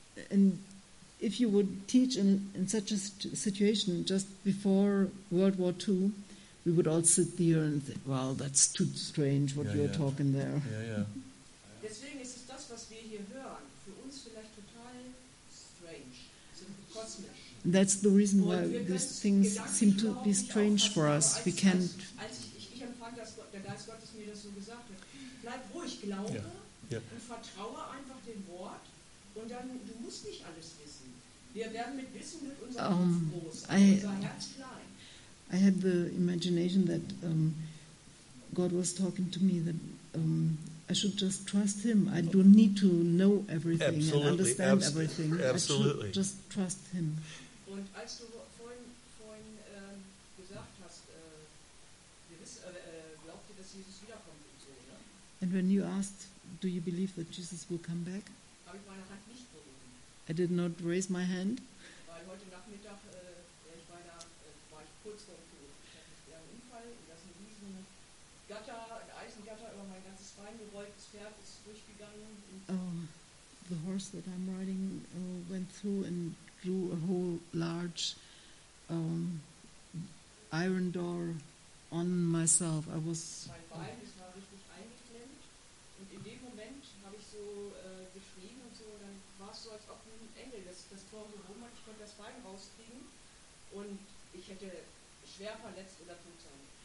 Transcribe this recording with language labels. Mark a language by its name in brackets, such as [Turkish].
[English] And if you would teach in such a situation just before World War II, we would all sit there and think, well, that's too strange what you're talking there. Yeah. [German] Deswegen ist es das, was wir hier hören, für uns vielleicht total strange, so kosmisch. [English] That's the reason why these things seem to be strange for us. We can't. [German] Als ich empfand, dass der Geist Gottes mir das so gesagt hat, bleib ruhig, glaube und vertraue einfach dem Wort. Und dann, du musst nicht alles wissen. Wir werden mit Wissen mit unserem Herz groß, mit unserem Herz klein. [English] I had the imagination that God was talking to me that I should just trust him. I don't need to know everything absolutely. And understand absolutely. Everything. Absolutely. I should just trust him. [German] Und als du vorhin gesagt hast, glaubt ihr, dass Jesus wiederkommt und so, ne? [English] And when you asked, do you believe that Jesus will come back? [German] Habe ich meine Hand nicht gehoben. [English] I did not raise my hand. [German] Weil heute Nachmittag, ich war da, war ich kurz vor dem Tod. Ich hatte einen Unfall, da ist ein riesen Gatter, ein Eisengatter über mein ganzes Bein gerollt, das Pferd ist durchgegangen. [English] The horse that I'm riding went through and drew a whole large iron door on myself. I was. [German] Mein Bein ist mal richtig eingeklemmt und in dem Moment habe ich so geschrien und so, und dann war es so, als ob ein Engel das Tor so rum hat, ich konnte das Bein rauskriegen und ich hätte schwer verletzt oder tot sein.